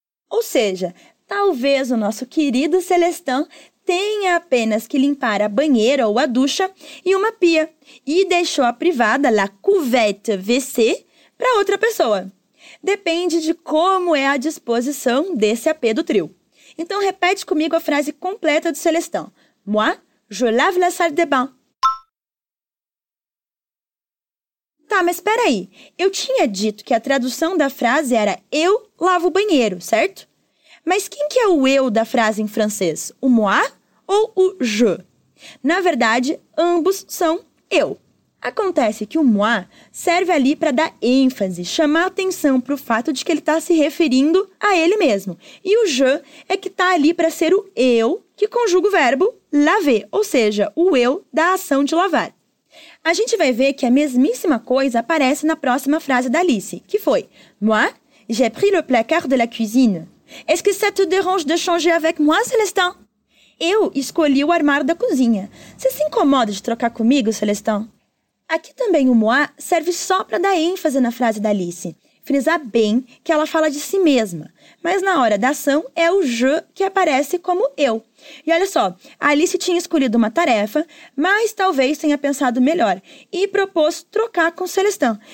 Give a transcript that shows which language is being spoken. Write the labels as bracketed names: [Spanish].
[Portuguese] Ou seja, talvez o nosso querido Célestin tenha apenas que limpar a banheira ou a ducha e uma pia. E deixou a privada, la couvette WC, para outra pessoa. Depende de como é a disposição desse AP do trio. Então repete comigo a frase completa do Célestin. [French] Moi, je lave la salle de bain. [Portuguese] Tá, mas espera aí. Eu tinha dito que a tradução da frase era eu lavo o banheiro, certo? Mas quem que é o eu da frase em francês? O moi ou o je? Na verdade, ambos são eu. Acontece que o moi serve ali para dar ênfase, chamar atenção para o fato de que ele está se referindo a ele mesmo. E o je é que está ali para ser o eu que conjuga o verbo laver, ou seja, o eu da ação de lavar. A gente vai ver que a mesmíssima coisa aparece na próxima frase da Alice, que foi [French] Moi, j'ai pris le placard de la cuisine. Est-ce que ça te dérange de changer avec moi, Célestin? [Portuguese] Eu escolhi o armário da cozinha. Você se incomoda de trocar comigo, Célestin? Aqui também o moi serve só para dar ênfase na frase da Alice, frisar bem que ela fala de si mesma. Mas na hora da ação é o je que aparece como eu. E olha só, a Alice tinha escolhido uma tarefa, mas talvez tenha pensado melhor e propôs trocar com Célestin.